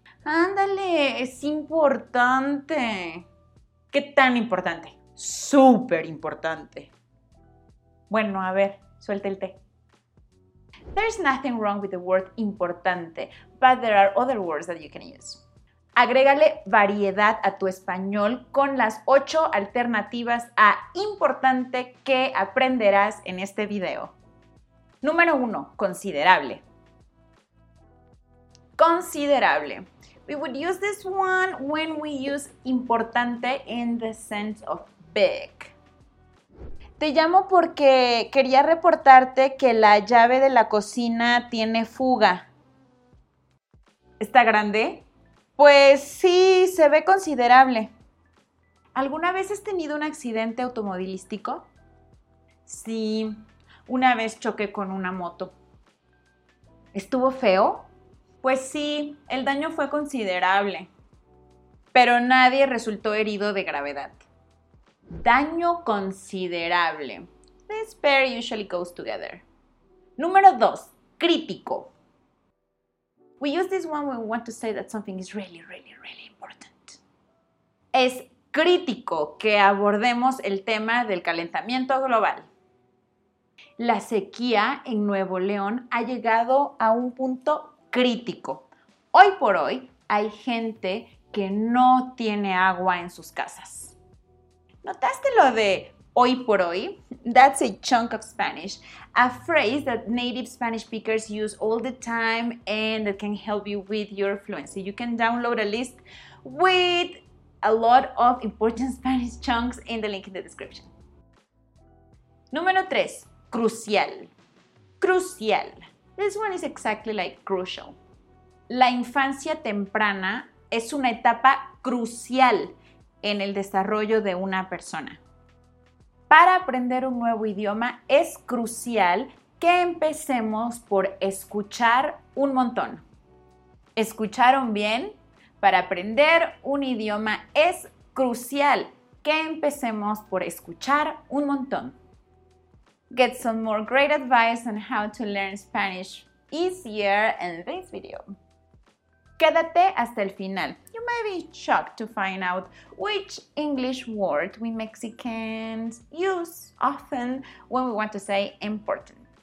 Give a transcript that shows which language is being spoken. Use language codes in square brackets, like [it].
[es] Ándale, es importante. ¿Qué tan importante? Súper importante. Bueno, a ver, suelta el té. [en] There's nothing wrong with the word importante, but there are other words that you can use. [es] Agrégale variedad a tu español con las 8 alternativas a importante que aprenderás en este video. Número 1. Considerable. Considerable. [en] We would use this one when we use importante in the sense of big. [es] Te llamo porque quería reportarte que la llave de la cocina tiene fuga. ¿Está grande? Pues sí, se ve considerable. ¿Alguna vez has tenido un accidente automovilístico? Sí, una vez choqué con una moto. ¿Estuvo feo? Pues sí, el daño fue considerable. Pero nadie resultó herido de gravedad. Daño considerable. [en] This pair usually goes together. [es] Número 2. Crítico. [en] We use this one when we want to say that something is really, really, really important. [es] Es crítico que abordemos el tema del calentamiento global. La sequía en Nuevo León ha llegado a un punto crítico. Hoy por hoy hay gente que no tiene agua en sus casas. ¿Notaste lo de hoy por hoy? [en] That's a chunk of Spanish, a phrase that native Spanish speakers use all the time and that can help you with your fluency. You can download a list with a lot of important Spanish chunks in the link in the description. [es] Número 3. Crucial. Crucial. [en] This one is exactly like crucial. [es] La infancia temprana es una etapa crucial en el desarrollo de una persona. Para aprender un nuevo idioma es crucial que empecemos por escuchar un montón. ¿Escucharon bien? Para aprender un idioma es crucial que empecemos por escuchar un montón. [en] Get some more great advice on how to learn Spanish easier in this video. [es] Quédate hasta el final. [en] You may be shocked to find out which English word we Mexicans use often when we want to say important.